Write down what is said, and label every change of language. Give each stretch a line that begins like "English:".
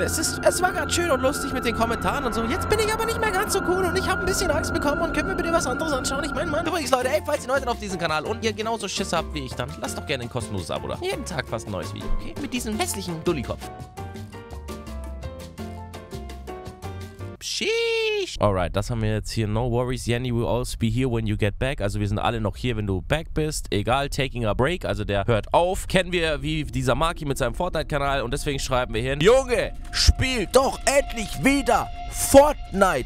German: Es war gerade schön und lustig mit den Kommentaren und so. Jetzt bin ich aber nicht mehr ganz so cool und ich habe ein bisschen Angst bekommen und können wir bitte was anderes anschauen? Ich meine, Mann. Übrigens, Leute, ey, falls ihr neu seid auf diesem Kanal und ihr genauso Schiss habt wie ich, dann lasst doch gerne ein kostenloses Abo da. Jeden Tag fast ein neues Video, okay? Mit diesem hässlichen Dullikopf. Sheesh. Alright, das haben wir jetzt hier.
English: No worries, Jenny will always be here when you get back.
German: Also wir sind alle noch hier, wenn du back bist. Egal,
English: taking a break,
German: also der hört auf. Kennen wir wie dieser Marky mit seinem Fortnite-Kanal und deswegen schreiben wir hin. Junge, spiel doch endlich wieder Fortnite.